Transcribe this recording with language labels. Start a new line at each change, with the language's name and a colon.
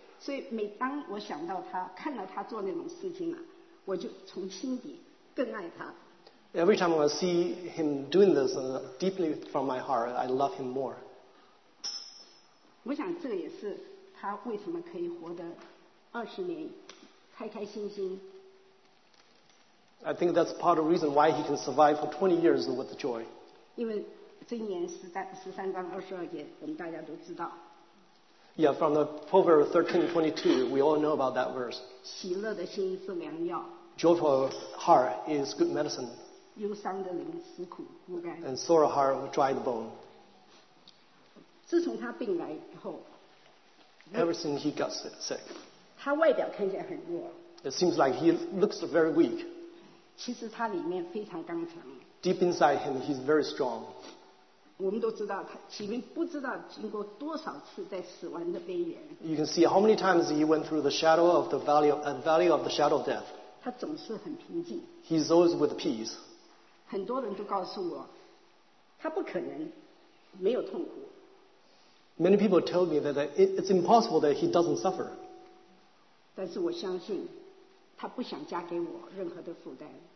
Chinese: 所以每当我想到他看到他做那种事情啊，我就从心底更爱他。
English: Every time I see him doing this, deeply from my heart, I love him more.
Chinese: 我想这也是他为什么可以活得二十年开开心心。
English: I think that's part of the reason why he can survive for 20 years with joy.
Chinese: 因为箴言13章22节我们大家都知道。
English: Yeah, from the Proverbs 13:22, we all know about that verse.
Chinese: 喜乐的心是良药。
English: Joyful heart is good medicine.
Chinese: 忧伤的灵使苦不甘。
English: And sore heart will dry the bone.
Chinese: 自从他病来以后。
English: Ever since he got sick.
Chinese: 他外表看起来很弱。
English: It seems like he looks very weak.
Chinese: 其实他里面非常刚强。
English: Deep inside him, he's very strong.
Chinese: 我们都知道，他骑兵不知道经过多少次在死亡的边缘。
English: You can see how many times he went through the shadow of the valley of the shadow of death.
Chinese: 他总是很平静。
English: He's always with peace.
Chinese: 很多人都告诉我，他不可能没有痛苦。
English: Many people told me that it's impossible that he doesn't suffer.
Chinese: 但是我相信。他不想加给我任何的负担。